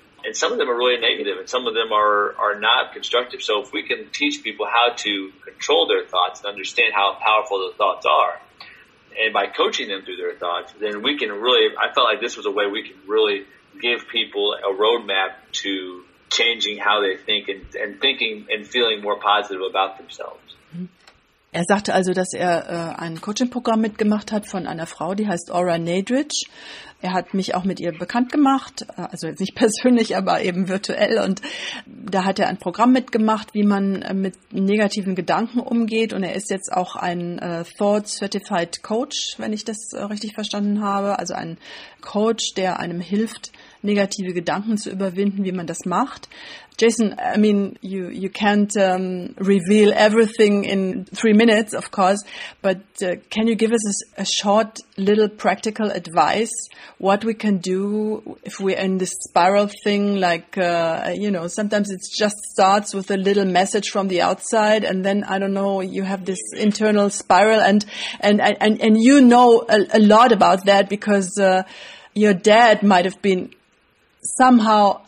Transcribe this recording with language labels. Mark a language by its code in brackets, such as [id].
[en] And some of them are really negative, and some of them are not constructive. So if we can teach people how to control their thoughts and understand how powerful the thoughts are, and by coaching them through their thoughts, then we can really, I felt like this was a way we can really give people a roadmap to changing how they think and thinking and feeling more positive about themselves. [de] Er sagte also, dass er ein Coaching-Programm mitgemacht hat von einer Frau, die heißt Aura Nadridge. Er hat mich auch mit ihr bekannt gemacht, also jetzt nicht persönlich, aber eben virtuell. Und da hat er ein Programm mitgemacht, wie man mit negativen Gedanken umgeht. Und er ist jetzt auch ein Thought Certified Coach, wenn ich das richtig verstanden habe. Also ein Coach, der einem hilft, negative Gedanken zu überwinden, wie man das macht. [en] Jason, I mean, you can't reveal everything in 3 minutes, of course, but can you give us a short little practical advice what we can do if we're in this spiral thing? Like, you know, sometimes it just starts with a little message from the outside, and then, I don't know, you have this internal spiral, and you know a lot about that because your dad might have been somehow